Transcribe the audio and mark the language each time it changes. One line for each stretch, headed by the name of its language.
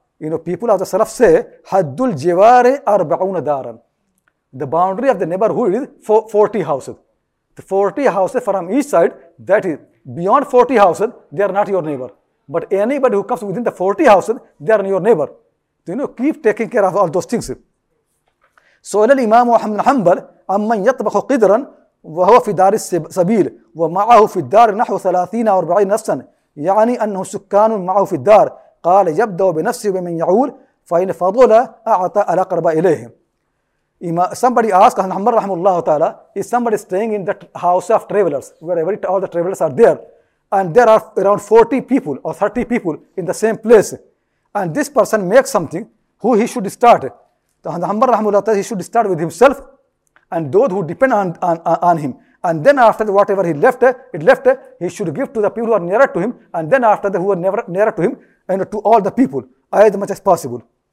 English: You know, people of the Salaf say,
Arabic: Haddul Jivare Arba'una Daran.
English: The boundary of the neighborhood is 40 houses. The 40 houses from each side, that is, beyond 40 houses, they are not your neighbor. But anybody who comes within the 40 houses, they are your neighbor. So, you know, keep taking care of all those things.
Arabic: So, Imam Ahmad bin Hanbal, أَمَّنْ يَطْبَخُ قِدْرًا وَهُوَ فِي دَارِ السَّبِيلِ وَمَعَهُ فِي الدَّارِ نَحْوَ 30 أو 40 نَفْسًا يعني أنه سكان معه في الدار قال يبدأ بنفسه ومن يعول فإن فضل أعطى الأقرب إليهم.
English: Somebody asked Ahmad bin Hanbal, is somebody staying in the house of travelers, where every, all the travelers are there, and there are around 40 people or 30 people in the same place, and this person makes something, who he should start? Ahmad bin Hanbal, he should start with himself and those who depend on him, and then after the, whatever he left, it left, he should give to the people who are nearer to him, and then after the who are never, nearer to him, and to all the people as much as possible.